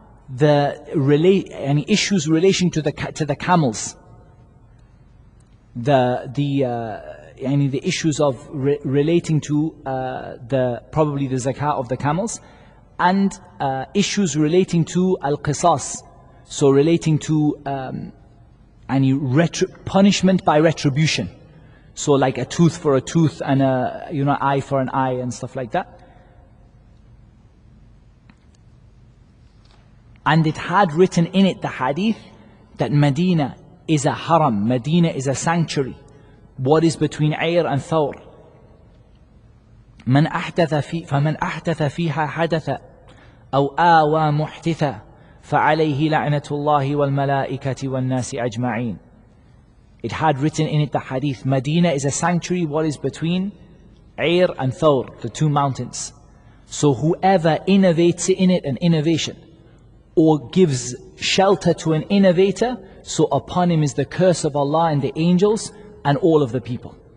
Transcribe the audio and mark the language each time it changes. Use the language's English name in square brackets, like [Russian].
[English] the any issues relating to the camels, the issues of relating to probably the zakah of the camels, and issues relating to al-qisas, so relating to punishment by retribution, so like a tooth for a tooth and a eye for an eye and stuff like that. And it had written in it the hadith that Medina is a haram, Medina is a sanctuary. What is between Ayr and Thawr? [Arabic] من أحدث في فمن أحدث فيها حدث أو آوى محدثا فعليه لعنة الله والملائكة والناس أجمعين. [English] It had written in it the hadith, Medina is a sanctuary. What is between Ayr and Thawr, the two mountains? So whoever innovates in it, an innovation, or gives shelter to an innovator, so upon him is the curse of Allah and the angels and all of the people.